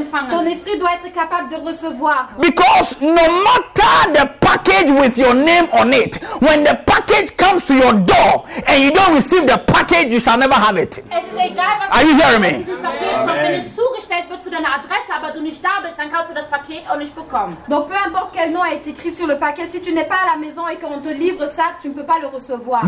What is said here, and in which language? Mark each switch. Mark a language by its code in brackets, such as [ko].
[fr] Ton esprit doit être capable de recevoir. [en] Because no matter the package with your name on it, when the package comes to your door and you don't receive the package, you shall never have it. [de] Es ist egal, was. [en] Are you hearing me? [de] Wenn es zugestellt wird zu deiner Adresse, aber du nicht da bist, dann kannst du das Paket auch nicht bekommen. [fr] Donc peu importe quel nom a été écrit sur le paquet, si tu n'es pas à la maison et qu'on te livre ça, tu ne peux pas le recevoir.